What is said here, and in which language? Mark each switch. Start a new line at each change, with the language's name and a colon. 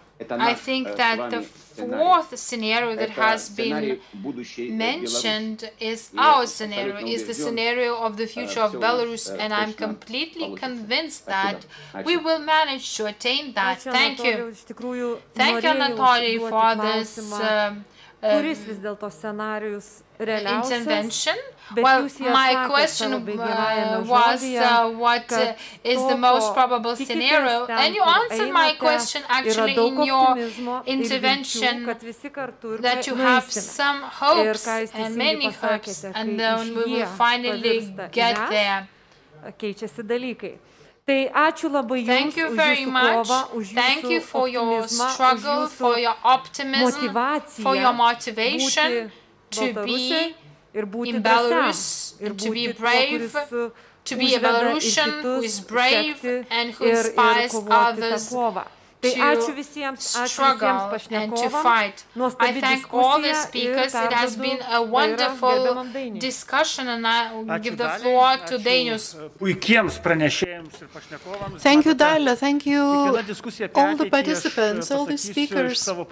English: I think that the fourth scenario that has been mentioned is our scenario, is the scenario of the future of Belarus, and I'm completely convinced that we will manage to attain that. Thank you. Thank you, Anatoly, for this
Lithuanian: kuris vis dėlto scenarijus realiausias,
English: intervention? Well, my question was, what is the most probable scenario? And you answered my question actually in your intervention that you have some hopes and many hopes, and then we will finally get there.
Lithuanian: Keičiasi dalykai. Tai ačiū labai jums už jūsų kovą, už jūsų optimizmą, už jūsų motivaciją,
English: for your motivation to be
Lithuanian: ir būti Belarus, ir būti
English: to be brave, to be a Belarusian who is brave and who inspires others.
Lithuanian: Tai ačiū visiems, pašnekovams.
English: I thank all the speakers. It has been a wonderful discussion, and I give the floor to Dainius.
Lithuanian: Puikiems pranešėjams ir pašnekovams.
English: Thank you, Dalia. Thank you, all the participants, all the speakers.